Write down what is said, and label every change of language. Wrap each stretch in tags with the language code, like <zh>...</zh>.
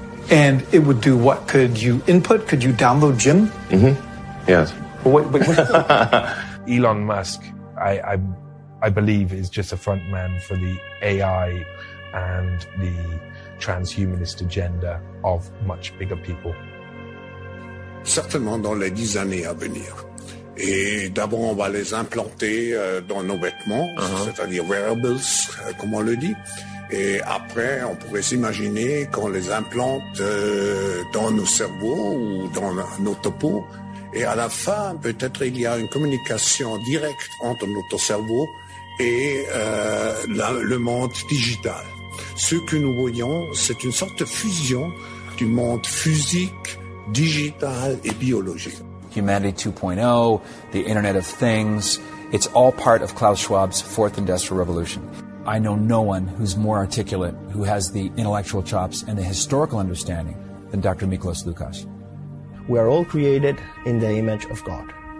<en>And it would do what? Could you input? Could you download Jim? Mm-hmm. Yes. Wait. Elon Musk, I believe, is just a front man for the AI and the transhumanist agenda of much bigger people.</en> <fr>Certainement dans les 10 années à venir. Et d'abord, on va les implanter dans nos vêtements, c'est-à-dire wearables, comme on le dit. Et après, on pourrait s'imaginer qu'on les implante dans nos cerveaux ou dans notre peau. Et à la fin, peut-être il y a une communication directe entre notre cerveau et le monde digital. Ce que nous voyons, c'est une sorte de fusion du monde physique, digital et biologique.</fr> <en>Humanity 2.0, the Internet of Things, it's all part of Klaus Schwab's fourth industrial revolution. I know no one who's more articulate, who has the intellectual chops and the historical understanding than Dr. Miklos Lukács. We are all created in the image of God.</en>